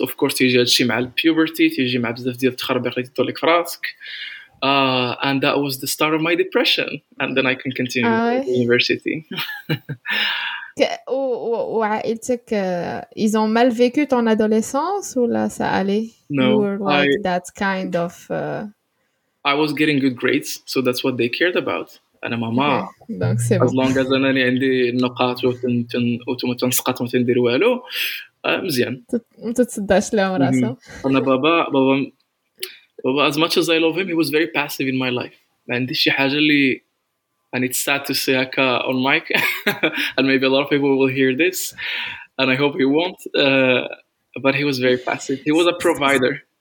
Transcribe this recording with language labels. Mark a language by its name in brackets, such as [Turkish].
[English] Of course [Arabic] تيجي هادشي مع puberty, تيجي مع بزاف ديال التخربيق اللي تطلق في راسك. [English] And that was the start of my depression and then I can continue university. [Arabic] وعائلتك [French] ils ont mal vécu ton adolescence ou là ça allait? [English] No, you were like that kind of I was getting good grades so that's what they cared about [Arabic] انا ماما [English] okay. as long as [Arabic] انا اللي عندي النقاط وتنسقط ما تندير والو مزيان ما تتصداش لهم راسه انا بابا [English] as much as I love him he was very passive in my life [Arabic] ما عنديش شي حاجه اللي [English] and it's sad to say aka on mic and maybe a lot of people will hear this and I hope he won't but he was very passive he was a provider